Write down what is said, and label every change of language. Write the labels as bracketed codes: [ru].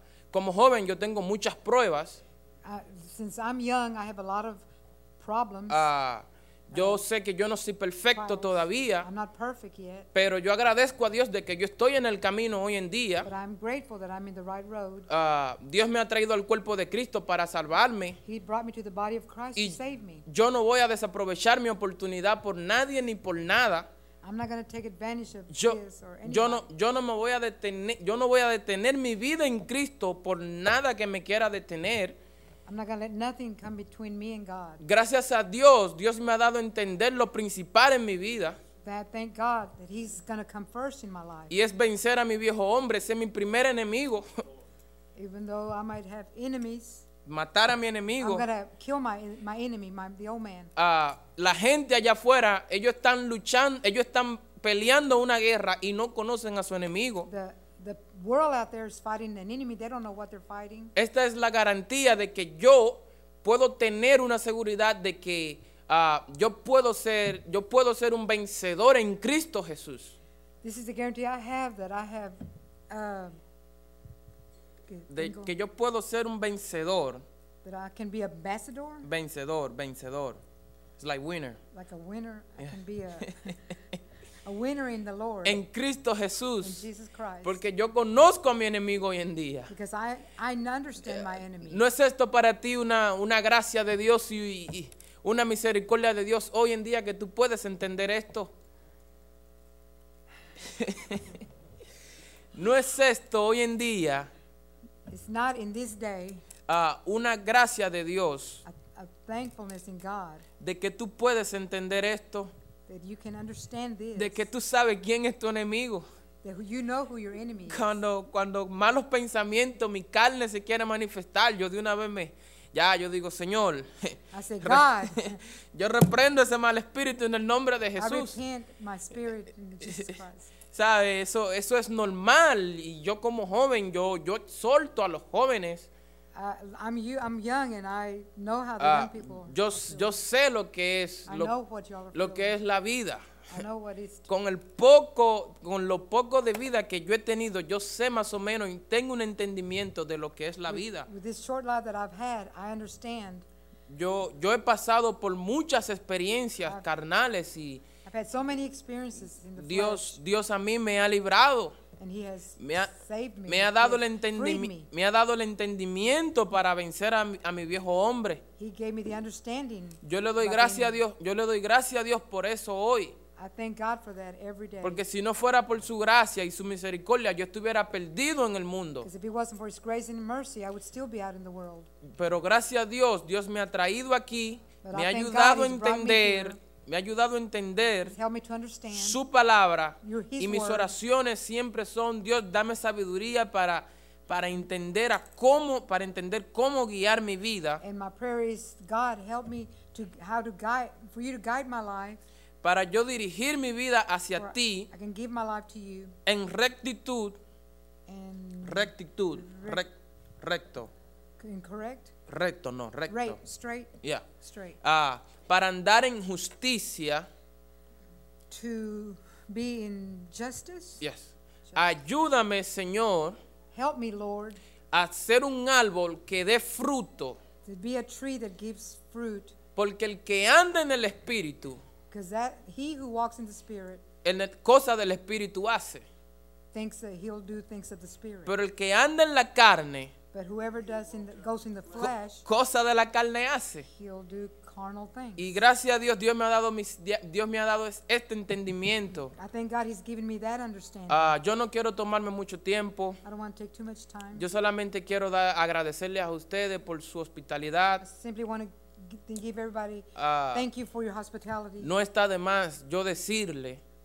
[es] Como joven yo tengo muchas pruebas. [en] Since I'm young, I have a lot of problems. [es] Sé que yo no soy perfecto todavía. [en] I'm not perfect yet. [es] Pero yo agradezco a Dios de que yo estoy en el camino hoy en día. [en] But I'm grateful that I'm in the right road. [es] Dios me ha traído al cuerpo de Cristo para salvarme. [en] He brought me to the body of Christ to save me. [es] Yo no voy a desaprovechar mi oportunidad por nadie ni por nada. [en] I'm not going to take advantage of [es] yo, [en] this or anything. [es] Yo no voy a detener mi vida en Cristo por nada que me quiera detener. [en] I'm not going to let nothing come between me and God. [es] Gracias a Dios, Dios me ha dado a entender lo principal en mi vida. [en] That thank God that he's going to come first in my life. [es] Y es vencer a mi viejo hombre, ser mi primer enemigo. [en] Even though I might have enemies. [es] Matar a mi enemigo. [en] I'm going to kill my enemy, the old man. [es] La gente allá afuera, ellos están peleando una guerra y no conocen a su enemigo. [en] The world out there is fighting an enemy. They don't know what they're fighting. [es] Esta es la garantía de que yo puedo tener una seguridad de que yo puedo ser un vencedor en Cristo Jesús. [en] This is the guarantee I have that I have. Que yo puedo ser un vencedor. That I can be a ambassador. Vencedor. It's like winner. Like a winner, yeah. I can be a. A winner in the Lord. [es] En Cristo Jesús. [en] In Jesus Christ. [es] Porque yo conozco a mi enemigo hoy en día. [en] Because I understand my enemy. [es] ¿No es esto para ti una gracia de Dios y una misericordia de Dios hoy en día que tú puedes entender esto? ¿No es esto hoy en día? [en] It's not in this day. [es] Una gracia de Dios. [en] A thankfulness in God. [es] De que tú puedes entender esto. [en] That you can understand this. [es] De que tú sabes quién es tu enemigo. [en] That you know who your enemy is. [es] Cuando malos pensamientos, mi carne se quiere manifestar, yo de una vez yo digo, Señor. [en] I say, God. [es] Yo reprendo ese mal espíritu en el nombre de Jesús. [en] I repent my spirit in Jesus Christ. [es] ¿Sabe? Eso es normal. Y yo como joven, yo exhorto a los jóvenes. [en] I'm young and I know how the young people. [es] Yo sé lo que es lo que es la vida. [en] I know what it's [es] con el poco, con lo poco de vida que yo he tenido, yo sé más o menos y tengo un entendimiento de lo que es la vida. [en] With this short life that I've had, I understand. [es] Yo he pasado por muchas experiencias carnales y [en] I've had so many experiences in the flesh. [es] Dios a mí me ha librado. [en] And he has saved me. [es] Me ha dado el entendimiento para vencer a mi viejo hombre. [en] He gave me the understanding. [es] Yo le doy gracias a Dios. Yo le doy gracias a Dios por eso hoy. [en] I thank God for that every day. [es] Porque si no fuera por su gracia y su misericordia, yo estuviera perdido en el mundo. [en] Because if it wasn't for his grace and mercy, I would still be out in the world. [es] Pero gracias a Dios, Dios me ha traído aquí, me ha ayudado a entender. Me ha ayudado a entender su palabra y mis oraciones siempre son, Dios, dame sabiduría para entender cómo guiar mi vida. [en] And my prayer is, God, help me to how to guide, for you to guide my life. [es] Para yo dirigir mi vida hacia ti. [en] I can give my life to you. [es] En rectitud. Rectitud. Recto. [en] Incorrect. [es] Recto, no, recto. [en] Right, straight. Yeah. Straight. [es] Para andar en justicia. [en] To be in justice. Yes. Justice. [es] Ayúdame, Señor. [en] Help me, Lord. [es] A ser un árbol que dé fruto. [en] To be a tree that gives fruit. [es] Porque el que anda en el Espíritu. [en] Because that he who walks in the Spirit. [es] En la cosa del Espíritu hace. [en] Thinks that he'll do things of the Spirit. [es] Pero el que anda en la carne. [en] But whoever does goes in the flesh. [es] Cosa de la carne hace. [en] He'll do carnal things. [es] Y gracias a Dios, Dios me ha dado este entendimiento. [en] I thank God he's given me that understanding. [es] Yo no quiero tomarme mucho tiempo. [en] I don't want to take too much time. [es] Yo solamente quiero agradecerle a ustedes por su hospitalidad. [en] I simply want to give everybody thank you for your hospitality. [es] No está de más yo decirle.